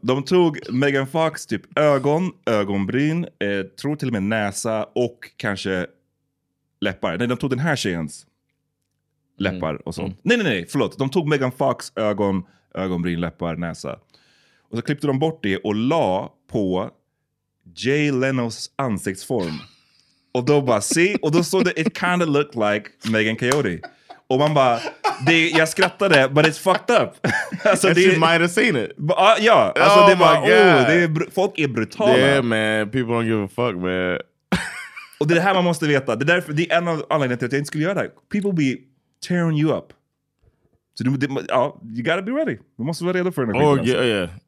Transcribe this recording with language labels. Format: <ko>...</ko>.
<sv>De tog Megan Fox typ ögonbryn, tror till och med näsa och kanske läppar. Nej, de tog den här tjejens läppar och sånt. Nej, förlåt. De tog Megan Fox ögonbryn, läppar, näsa. Och så klippte de bort det och la på Jay Leno's ansiktsform. Och då bara, se. Och då såg det,</sv> <en>it kind of looked like Megan Coyote.</en> <sv>Och man bara, jag skrattade,</sv> <en>but it's fucked up.</en> <sv>Alltså,</sv> <en>and she might have seen it.</en> <sv>Ja, alltså det var, folk är brutala.</sv> <en>Yeah, man, people don't give a fuck, man.</en> <sv>Och det är det här man måste veta. Det är därför, det är en av anledningarna till att jag inte skulle göra det.</sv> <en>People be tearing you up.</en> <sv>Så</sv> <en>you gotta be ready.</en> <sv>Du måste vara redo för den.</sv>